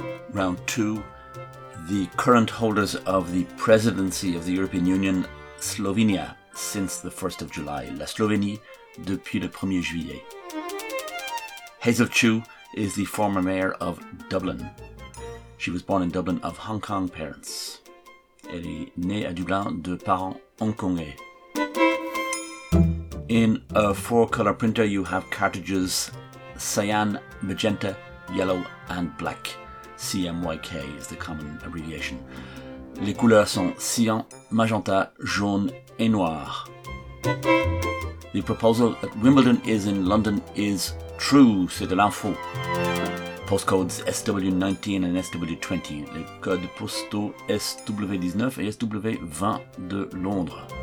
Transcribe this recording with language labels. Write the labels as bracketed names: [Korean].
[English] Round 2. The current holders of the presidency of the European Union, Slovenia, since the 1st of July. [French] La Slovénie, depuis le 1er juillet. [English] Hazel Chu is the former mayor of Dublin. She was born in Dublin of Hong Kong parents. [French] Elle est née à Dublin de parents hongkongais. [English] In a four-color printer, you have cartridges cyan, magenta, yellow, and black. CMYK is the common abbreviation. [French] Les couleurs sont cyan, magenta, jaune et noir. [English] The proposal that Wimbledon is in London is true, [French] c'est de l'info. [English] Postcodes SW19 and SW20. [French] Les codes postaux SW19 et SW20 de Londres.